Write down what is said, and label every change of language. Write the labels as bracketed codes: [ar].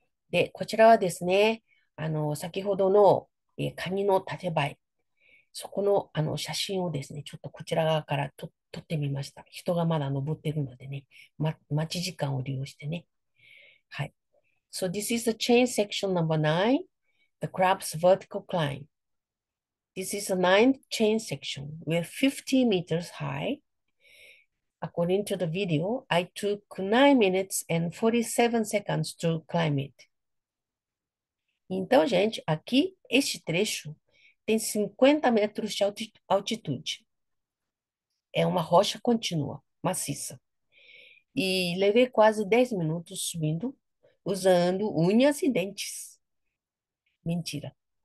[ja] で、こちらはですね、先ほどの、カニの立て映え。そこの、写真をですね、ちょっとこちら側から撮ってみました。人がまだ登ってるのでね、待ち時間を利用してね。はい。 [en] So this is the chain section number 9, the crab's vertical climb. This is the ninth chain section. We're 50 meters high. According to the video, I took 9 minutes and 47 seconds to climb it. [pt] Então, gente, aqui, este trecho tem 50 metros de altitude. É uma rocha contínua, maciça. E levei quase 10 minutos subindo, usando unhas e dentes. Mentira.